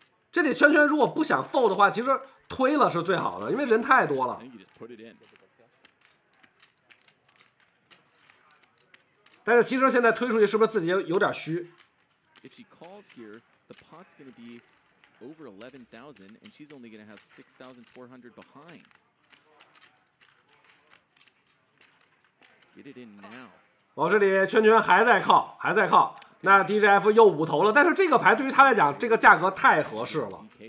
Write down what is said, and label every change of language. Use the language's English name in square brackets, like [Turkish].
[Chinese] 这里圈圈如果不想 fold 的话，其实推了是最好的，因为人太多了。但是其实现在推出去是不是自己有点虚？ [English] If she calls here, the pot's going to be over 11,000, and she's only going to have 6,400 behind. Get it in now. [Chinese] 往这里圈圈还在靠，还在靠。那 DJF 又五头了，但是这个牌对于他来讲，这个价格太合适了。